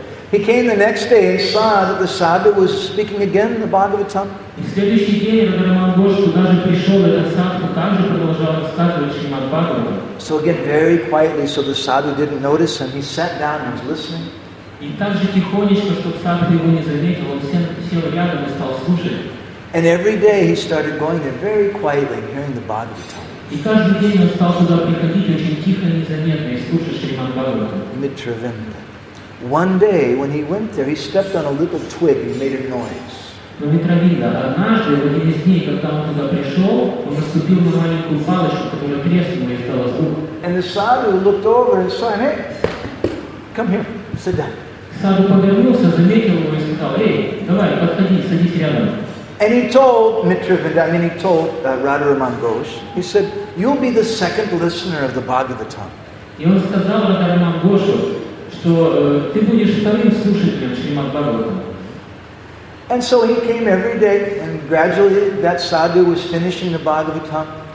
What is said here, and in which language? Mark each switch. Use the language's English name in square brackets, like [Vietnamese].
[English] He came the next day and saw that the sadhu was speaking again in the Bhagavatam. [Russian] И в следующий день Радхараман Гош туда же пришел, этот садху также продолжал рассказывать Шримад Бхагаватам. [English] So again, very quietly, so the sadhu didn't notice him. He sat down and was listening. [Russian] И также тихонечко, чтобы садху его не заметил, он сел рядом и стал слушать. [English] And every day he started going there very quietly, hearing the Bhagavatam. [Russian] И каждый день он стал туда приходить очень тихо и незаметно и слушать Шримад Бхагаватам. [English] Mitravinda. One day, when he went there, he stepped on a little twig and made a noise. [Russian] Но Митравинда, однажды, в один из дней, когда он туда пришел, он наступил на маленькую палочку, которая треснула и стала звук. [English] And the sadhu looked over and saw him, hey, come here, sit down. [Russian] Саду повернулся, заметил его и сказал, эй, давай, подходи, садись рядом. [English] And he told Mitravinda, I mean he told Radharaman Ghosh, he said, you'll be the second listener of the Bhagavatam. [Russian] И он сказал Радхараман Гошу, что ты будешь вторым слушателем Шримад Бхагаватам. [English] And so he came every day, and gradually that sadhu was finishing the Bhagavatam.